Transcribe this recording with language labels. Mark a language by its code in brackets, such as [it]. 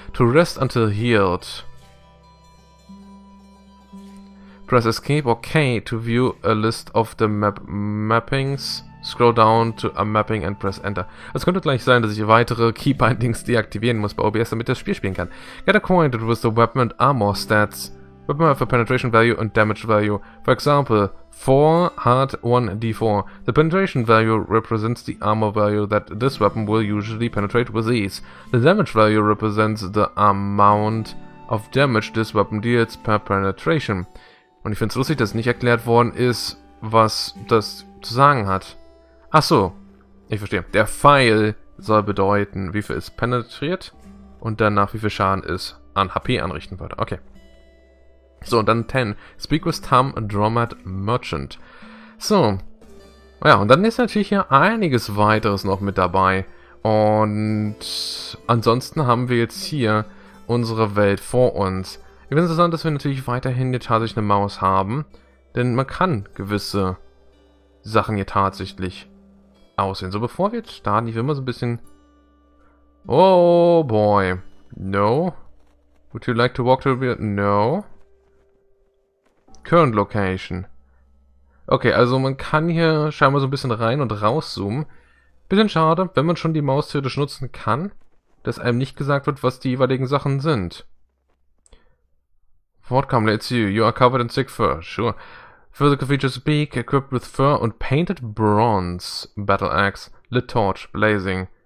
[en] To rest until healed. Press escape or K to view a list of the mappings. Scroll down to a mapping and press enter. [de] Es könnte gleich sein, dass ich weitere Keybindings deaktivieren muss bei OBS, damit ich das Spiel spielen kann. [en] Get acquainted with the weapon and armor stats. Weapon have a penetration value and damage value. For example, 4 hard 1d4. The penetration value represents the armor value that this weapon will usually penetrate with ease. The damage value represents the amount of damage this weapon deals per penetration. [de] Und ich finde es lustig, dass nicht erklärt worden ist, was das zu sagen hat. Ach so, ich verstehe. Der Pfeil soll bedeuten, wie viel es penetriert und danach wie viel Schaden es an HP anrichten wird. [en] Okay. So, [de] und dann [en] 10. Speak with Tam Dromad Merchant. So. [de] Ja, und dann ist natürlich hier einiges weiteres noch mit dabei. Und ansonsten haben wir jetzt hier unsere Welt vor uns. Ich finde es interessant, dass wir natürlich weiterhin hier tatsächlich eine Maus haben. Denn man kann gewisse Sachen hier tatsächlich aussehen. So, bevor wir jetzt starten, ich will mal so ein bisschen... [en] Oh boy. No. Would you like to walk to the... No. Current location. [de] Okay, also man kann hier scheinbar so ein bisschen rein und raus zoomen. Bisschen schade, wenn man schon die Maus theoretisch nutzen kann, dass einem nicht gesagt wird, was die jeweiligen Sachen sind. [en] What come, let's see, you are covered in thick fur, sure. Physical features, beak, equipped with fur and painted bronze, battle axe, lit torch, blazing.